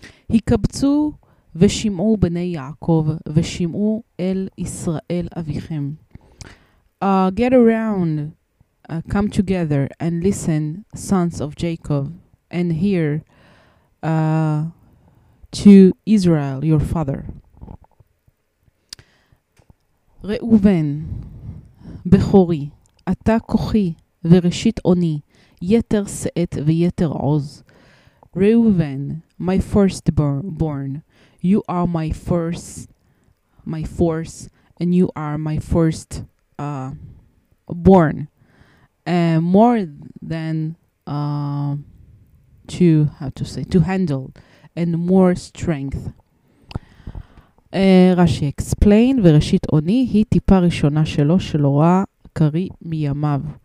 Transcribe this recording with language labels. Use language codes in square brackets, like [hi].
[he] הקבצו ושמעו בני יעקב ושמעו אל ישראל אביכם. [en] Get around, come together and listen, sons of Jacob, and hear to Israel your father. [he] ראובן, בחורי, אתה כוחי וראשית עוני, יתר שאת ויתר עוז. [en] ראובן, my firstborn, you are my force, and you are my first born, more than to handle, and more strength. Rashi explained, [he] וראשית עוני היא טיפה ראשונה שלו שלא רואה קרי מימיו.